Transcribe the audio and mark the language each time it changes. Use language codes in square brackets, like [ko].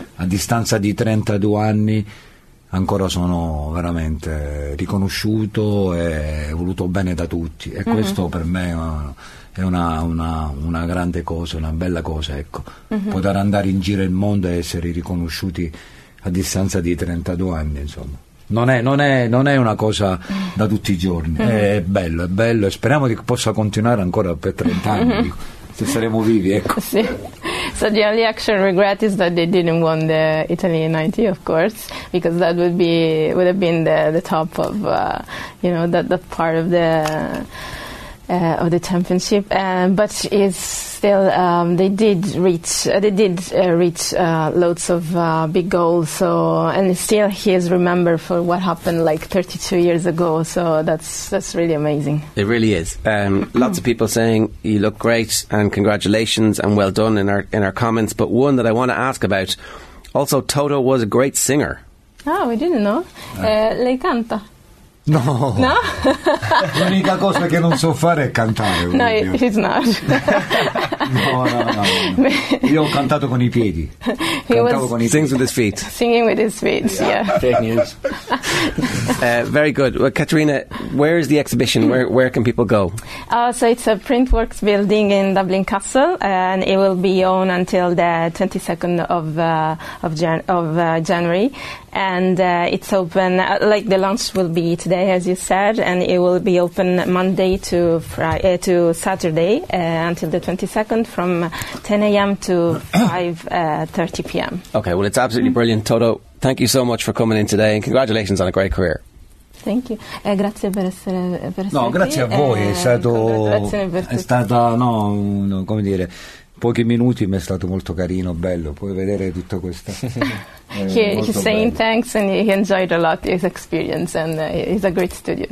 [it] A distanza di 32 anni ancora sono veramente riconosciuto e voluto bene da tutti, e questo per me è una grande cosa, una bella cosa, ecco. Poter andare in giro il mondo e essere riconosciuti a distanza di 32 anni, insomma. Non è una cosa da tutti i giorni. È bello, e speriamo che possa continuare ancora per 30 anni, se saremo vivi, ecco. Sì. [en] So the only actual regret is that they didn't win the Italy 90, of course, because that would have been the top of that part of the of the championship, but it's still they did reach loads of big goals. So, and still he is remembered for what happened like 32 years ago. So that's really amazing. It really is. lots of people saying you look great and congratulations and well done in our comments. But one that I want to ask about, also Toto was a great singer. Oh, we didn't know. [it] Lei canta. No, [en] no? [it] L'unica cosa che non so fare è cantare. [en] No, he's not. [it] No. Io ho cantato con i piedi. [en] Sings with his feet. Singing with his feet, yeah. Fake news. Very good. Well, Katerina, where is the exhibition? Where can people go? So it's a Printworks building in Dublin Castle, and it will be on until the 22nd of January. And it's open, like the launch will be today, as you said, and it will be open Monday to Friday, to Saturday until the 22nd from 10 a.m. to 5:30 p.m. Okay, well, it's absolutely brilliant. Toto, thank you so much for coming in today and congratulations on a great career. Thank you. [it] Grazie per essere No, grazie qui. A voi. È stato, come dire, pochi minuti, ma è stato molto carino, bello. Puoi vedere tutta questa... [en] He's saying bello. Thanks and he enjoyed a lot his experience and he's a great studio.